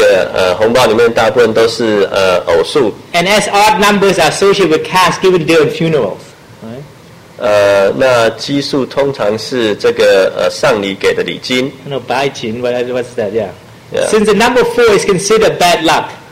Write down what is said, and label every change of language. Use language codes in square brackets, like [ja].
[zh] 那有时候我们也要注意，这个红包里面大部分都是偶数。 [en] And as odd numbers are associated with cash given during funerals, right? [zh] 那奇数通常是这个上礼给的礼金。 [en] No, 白金, what's that? Yeah. Since the number four is considered bad luck.